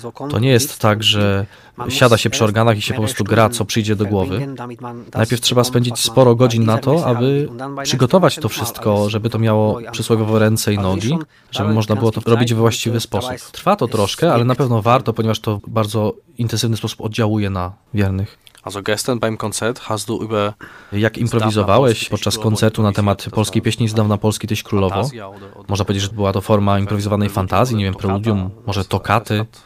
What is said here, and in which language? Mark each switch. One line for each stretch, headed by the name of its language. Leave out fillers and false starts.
Polish: To nie jest tak, że siada się przy organach i się po prostu gra, co przyjdzie do głowy. Najpierw trzeba spędzić sporo godzin na to, aby przygotować to wszystko, żeby to miało przysłowiowo ręce i nogi, żeby można było to robić we właściwy sposób. Trwa to troszkę, ale na pewno warto, ponieważ to bardzo intensywny sposób oddziałuje na wiernych.
German: Also gestern beim Konzert hast du über
Polish: jak improwizowałeś podczas koncertu na temat polskiej pieśni Z dawna Polski tyś królowo? Można powiedzieć, że była to forma improwizowanej fantazji, nie wiem, preludium, może tokaty.